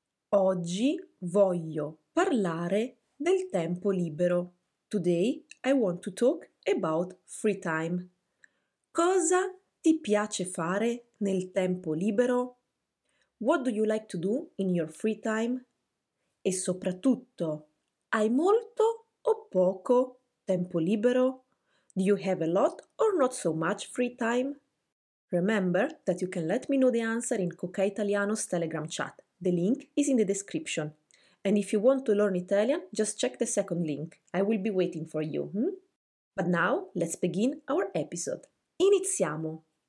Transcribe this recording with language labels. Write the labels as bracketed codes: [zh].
[it] Oggi voglio parlare del tempo libero. [en] Today I want to talk about free time. [it] Cosa ti piace fare nel tempo libero? [en] What do you like to do in your free time? [it] E soprattutto, hai molto o poco tempo libero? [en] Do you have a lot or not so much free time? Remember that you can let me know the answer in Cocai Italiano's Telegram chat. The link is in the description. And if you want to learn Italian, just check the second link. I will be waiting for you. But now, let's begin our episode. [it] Iniziamo!